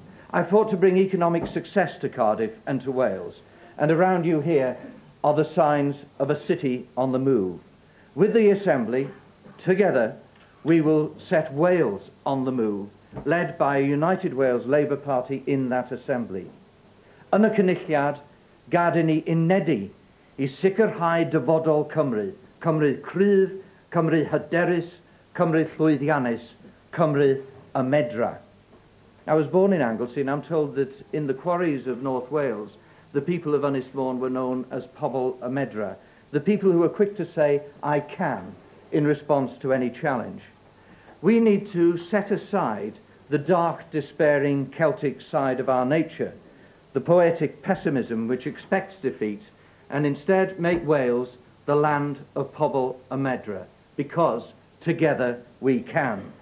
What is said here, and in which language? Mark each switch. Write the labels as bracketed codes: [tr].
[en] I fought to bring economic success to Cardiff and to Wales, and around you here are the signs of a city on the move. With the Assembly, together, we will set Wales on the move, led by a United Wales Labour Party in that assembly. [cy] Yn y cynulliad, gad I ni unedu i sicrhau dyfodol Cymru, Cymru cryf, Cymru hyderus, Cymru Llwyddiannus, Cymru a Medra. [en] I was born in Anglesey, and I'm told that in the quarries of North Wales, the people of Ynysmon were known as Pobl a Medra, the people who were quick to say, I can, in response to any challenge. We need to set aside the dark, despairing Celtic side of our nature, the poetic pessimism which expects defeat, and instead make Wales the land of Pobl a Medra, because together we can.